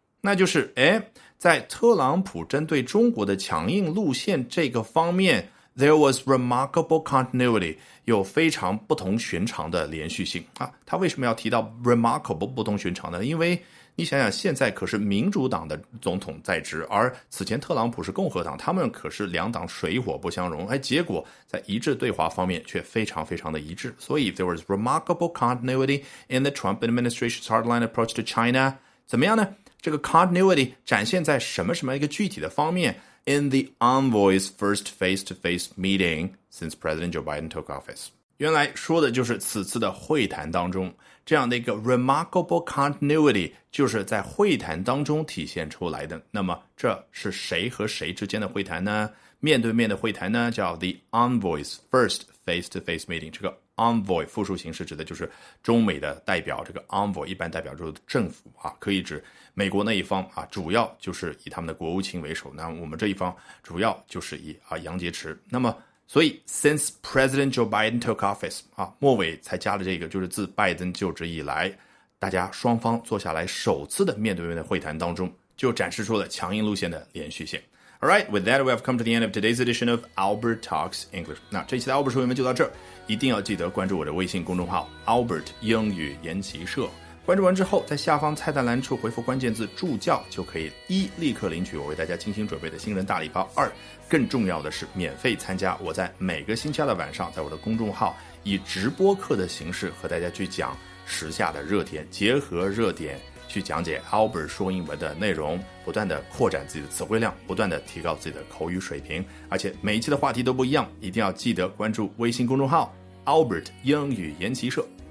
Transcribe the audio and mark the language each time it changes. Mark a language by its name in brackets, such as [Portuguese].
[Chinese] 那就是哎，在特朗普针对中国的强硬路线这个方面， [English] there was remarkable continuity， [Chinese] 有非常不同寻常的连续性啊。他为什么要提到 remarkable 不同寻常呢？因为你想想，现在可是民主党的总统在职，而此前特朗普是共和党，他们可是两党水火不相容，哎，结果在一致对华方面却非常非常的一致。 [English] 所以 there was remarkable continuity in the Trump administration's hardline approach to China。 [Chinese] 怎么样呢？这个 continuity 展现在什么什么一个具体的方面？ [English] In the envoy's first face-to-face meeting since President Joe Biden took office。 [Chinese] 原来说的就是此次的会谈当中这样的一个 [English] remarkable continuity， [Chinese] 就是在会谈当中体现出来的。那么这是谁和谁之间的会谈呢？面对面的会谈呢，叫 [English] the envoy's first face-to-face meeting。 [Chinese] 这个 envoy 复数形式指的就是中美的代表，这个 envoy 一般代表就是政府啊，可以指美国那一方啊，主要就是以他们的国务卿为首，那我们这一方主要就是以啊杨洁篪。那么所以 [English] since President Joe Biden took office [Chinese] 啊，末尾才加了这个，就是自拜登就职以来，大家双方坐下来首次的面对面的会谈当中，就展示出了强硬路线的连续性。 [English] Alright, with that we have come to the end of today's edition of Albert Talks English。 [Chinese] 那这期的 Albert 说英文就到这儿，一定要记得关注我的微信公众号 Albert 英语研习社，关注完之后在下方菜单栏处回复关键字助教，就可以一立刻领取我为大家精心准备的新人大礼包，二更重要的是免费参加我在每个星期二的晚上在我的公众号以直播课的形式和大家去讲时下的热点，结合热点去讲解 Albert 说英文的内容，不断的扩展自己的词汇量，不断的提高自己的口语水平，而且每一期的话题都不一样，一定要记得关注微信公众号 Albert 英语研习社。